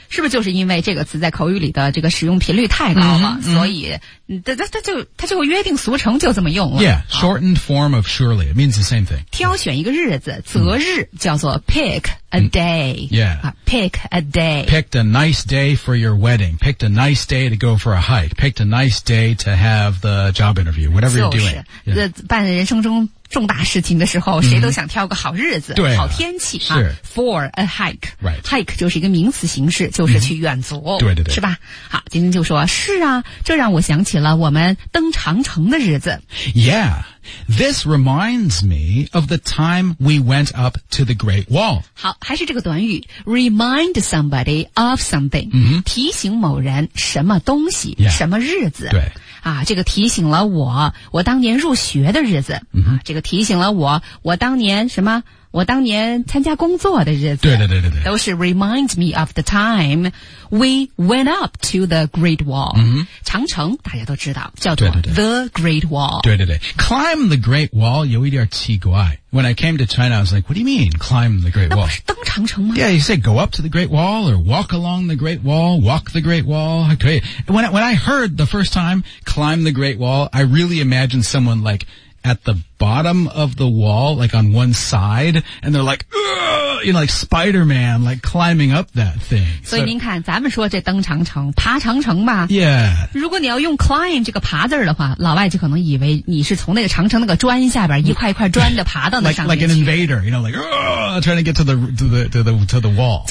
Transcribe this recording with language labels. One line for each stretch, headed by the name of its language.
Chinese: 是不是就是因为这个词在口语里的这个使用频率太高了、所以它就约定俗成就这么用了
English: yeah shortened form of surely it means the same thing
Chinese: 挑选一个日子择日叫做 pickA day.
English: Yeah. Pick a day. Picked a nice day for your wedding. Picked a nice day to go for a hike. Picked a nice day to have the job interview. Whatever you're doing.
Chinese: 就是、办人生中重大事情的时候、谁都想挑个好日子、对啊、好天气、是
English: for a hike. Right.
Chinese: Hike 就是一个名词形式就是去远足。对对对。是吧好今天就说是啊这让我想起了我们登长城的日子。
English: Yeah. This reminds me of the time we went up to the Great Wall.
Chinese: 好还是这个短语 remind somebody of something,、提醒某人什么东西、什么日子。对。啊这个提醒了我当年入学的日子。啊、这个提醒了我当年什么我当年参加工作的日子。对对对对对。都是 remind me of the time we went up to the Great Wall.、长城大家都知道叫做 The Great Wall. 对对对。 Climb the Great Wall 有一点奇怪。
English: When I came to China, I was like, what do you mean, climb the Great Wall?
Chinese: 那不是登长城吗?
English: Yeah, you say go up to the Great Wall or walk along the Great Wall, walk the Great Wall. Okay. When I heard the first time, climb the Great Wall, I really imagined someone like... at the bottom of the wall, like on one side, and they're like, you know, like Spider-Man, like climbing up that thing.
Chinese: So, 您看咱们说这登长城爬长城吧
English: Yeah.
Chinese: 如果你要用 climb 这个爬字的话老外就可能以为你是从那个长城那个砖下边一块一块砖的爬到那上面去
English: like an invader, you know, like, trying to get to the wall.